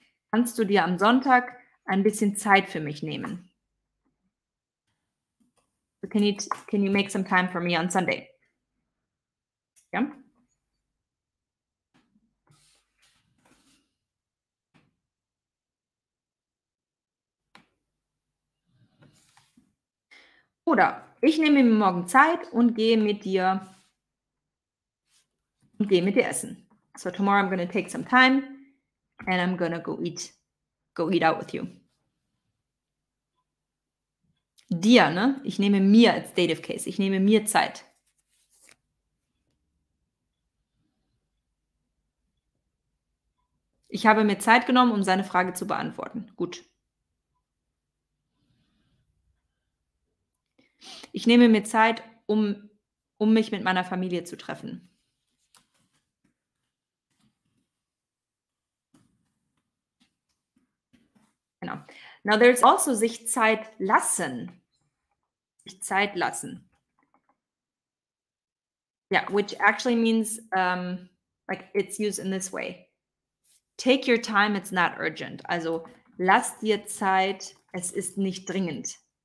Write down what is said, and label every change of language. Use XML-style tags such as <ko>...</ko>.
<de>Kannst du dir am Sonntag ein bisschen Zeit für mich nehmen?</de> <en>So can you make some time for me on Sunday? Ja. Yeah.</en> <de>Oder ich nehme mir morgen Zeit und gehe mit dir essen.</de> <en>So tomorrow I'm gonna take some time and I'm gonna go eat out with you.</en> <de>Dir, ne? Ich nehme mir als Dative Case. Ich nehme mir Zeit. Ich habe mir Zeit genommen, um seine Frage zu beantworten. Gut. Ich nehme mir Zeit, um mich mit meiner Familie zu treffen.</de> <en>Genau. Now there's also sich Zeit lassen. Sich Zeit lassen. Yeah, which actually means, like, it's used in this way. Take your time, it's not urgent.</en> <de>Also, lass dir Zeit, es ist nicht dringend.</de>